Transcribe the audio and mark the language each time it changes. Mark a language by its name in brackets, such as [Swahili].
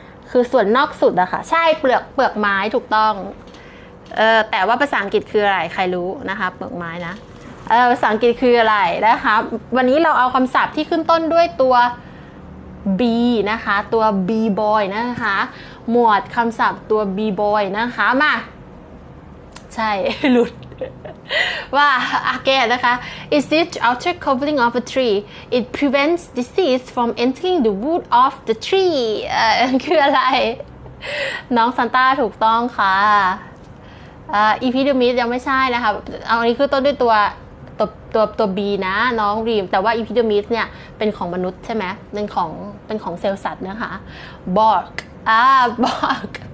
[Thai] คือส่วนนอกสุดอะค่ะใช่เปลือกไม้ถูกต้องแต่ว่าภาษาอังกฤษคืออะไรใครรู้นะคะเปลือกไม้นะภาษาอังกฤษคืออะไรนะคะวันนี้เราเอาคำศัพท์ที่ขึ้นต้นด้วยตัว B นะคะตัว B boy นะคะหมวดคำศัพท์ตัว B boy นะคะมาใช่หลุดว่าอาแกนะคะ [English] Is it outer covering of a tree? It prevents disease from entering the wood of the tree. [Thai] คืออะไรน้องซันต้าถูกต้องค่ะEpidermis ยังไม่ใช่นะคะเอาอันนี้คือต้นด้วยตัว B นะน้องรีมแต่ว่า Epidermis เนี่ยเป็นของมนุษย์ใช่ไหมเป็นของเซลล์สัตว์นะคะ Bark Bark